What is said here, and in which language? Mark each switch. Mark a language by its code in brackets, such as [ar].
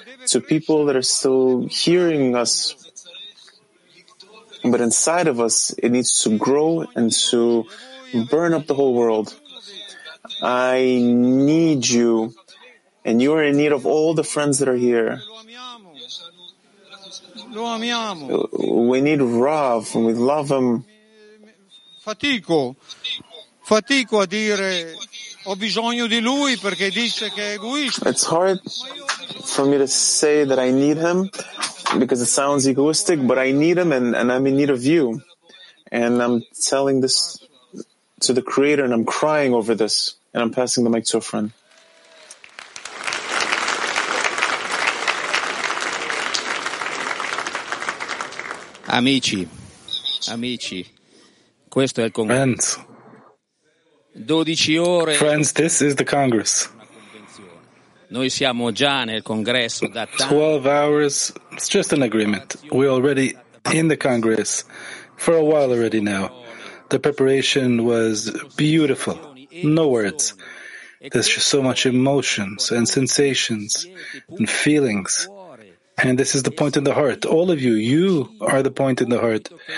[en] to people that are still hearing us, but inside of us, it needs to grow and to burn up the whole world. I need you, and you are in need of all the friends that are here. We need Rav, and we love him. [it] Fatico a dire ho bisogno di lui perché dice che è egoista. [en] It's hard for me to say that I need him because it sounds egoistic, but I need him and I'm in need of you. And I'm telling this to the Creator and I'm crying over this and I'm passing the mic to a friend. [it] Amici, questo è il congresso. [en] Friends. [it] 12 ore. [en] Friends, this is the Congress. [it] Noi siamo già nel congresso da [en] 12 hours. It's just an agreement. We're already in the Congress for a while already now. The preparation was beautiful. No words. There's just so much emotions and sensations and feelings. And this is the point in the heart. All of you, you are the point in the heart.